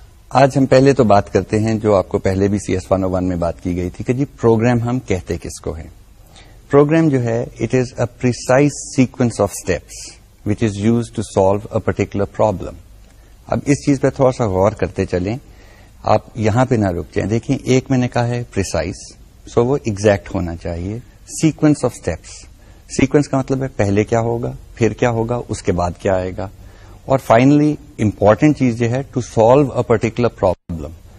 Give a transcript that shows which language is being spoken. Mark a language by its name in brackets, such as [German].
[Urdu] آج ہم پہلے تو بات کرتے ہیں جو آپ کو پہلے بھی CS 101 میں بات کی گئی تھی کہ جی پروگرام ہم کہتے کس کو ہیں. [English] Program جو ہے it is a precise sequence of steps which is used to solve a particular problem. [Urdu] اب اس چیز پہ تھوڑا سا غور کرتے چلیں, آپ یہاں پہ نہ رک جائیں. دیکھیں, ایک میں نے کہا ہے پریسائز, سو وہ ایگزیکٹ ہونا چاہیے. سیکوینس آف اسٹیپس, سیکوینس کا مطلب ہے پہلے کیا ہوگا, پھر کیا ہوگا, اس کے بعد کیا آئے گا, اور فائنلی امپورٹنٹ چیز یہ ہے [English] To solve a particular problem.